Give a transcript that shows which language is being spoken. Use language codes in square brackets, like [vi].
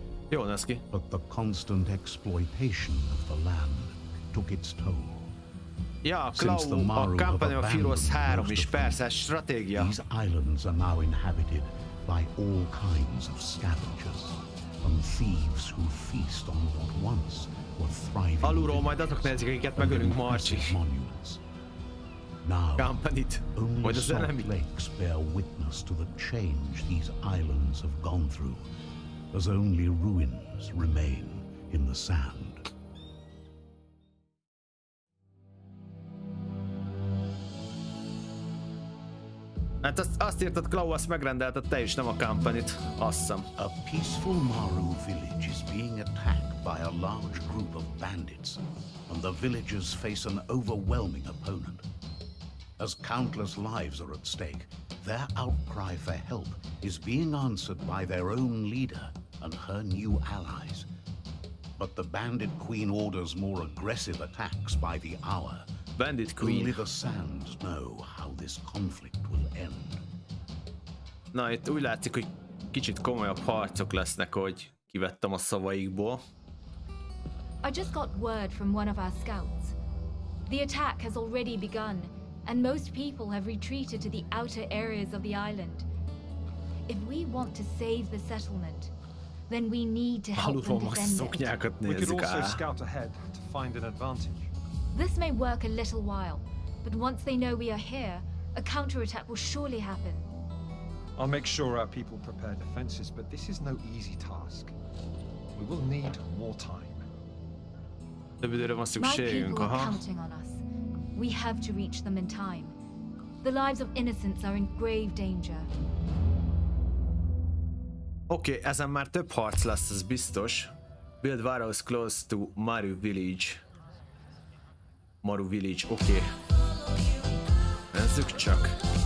[en] But the constant exploitation of the land took its toll. [hu] Ja, Klau, a Company of Heroes 3 is persze, stratégia. [en] These islands are now inhabited by all kinds of scavengers and thieves who feast on what once were thriving. [hu] Alulról majd azok nézik, akiket megölünk, Marci. [en] Now, only salt lakes bear witness to the change these islands have gone through, as only ruins remain in the sand. [hu] Hát azt írtad, Klau, azt megrendelted te is, nem a Company-t. Asszem. [en] A peaceful Maru village is being attacked by a large group of bandits, and the villagers face an overwhelming opponent. As countless lives are at stake, their outcry for help is being answered by their own leader and her new allies. But the bandit queen orders more aggressive attacks by the hour. Bandit queen. Only the sands know how this conflict will end. [hu] Na, itt úgy látszik, hogy kicsit komolyabb harcok lesznek, hogy kivettem a szavaikból. [en] I just got word from one of our scouts. The attack has already begun, and most people have retreated to the outer areas of the island. If we want to save the settlement, then we need to help them defend it. We could also scout ahead to find an advantage. This may work a little while, but once they know we are here, a counterattack will surely happen. I'll make sure our people prepare defenses, but this is no easy task. We will need more time. My people are counting on us. We have to reach them in time. The lives of innocents are in grave danger. [hu] Okay, ezen már több harc lesz, ez biztos. [en] Build warehouse close to Maru village. Maru village, oké. Okay. [hu] Nézzük csak.